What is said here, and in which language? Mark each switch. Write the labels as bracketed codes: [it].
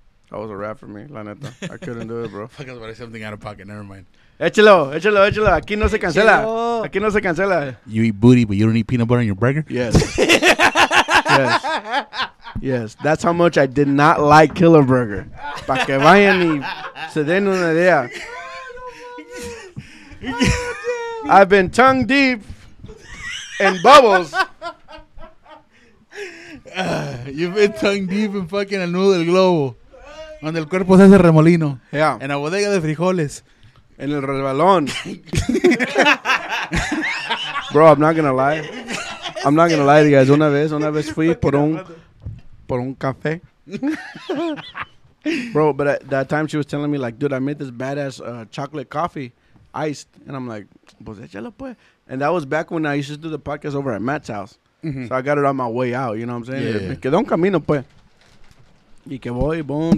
[en] That was a wrap for me, [es] la neta. [en] I couldn't do it, bro. Fuck, I was about to say something out of pocket. Never mind. [es] Échalo. Aquí no se cancela. Aquí no se cancela. [en] You eat booty, but you don't eat peanut butter on your burger? Yes. Yes, that's how much I did not like Killer Burger. [es] Pa que vayan y se den una idea. [en] I've been tongue deep in bubbles. You've been tongue deep in fucking [es] el nudo del globo. Donde el cuerpo se hace remolino. [en] Yeah. [es] En la bodega de frijoles. En el resbalón. [en] Bro, I'm not going to lie. I'm not going to lie to you guys. [es] Una vez fui por un café. [en] Bro, but at that time she was telling me, like, dude, I made this badass chocolate coffee iced. And I'm like, [es] pues échalo, pues. [en] And that was back when I used to do the podcast over at Matt's house. Mm-hmm. So I got it on my way out. You know what I'm saying? Yeah. [es] Me quedo un camino, pues. Y que voy, boom.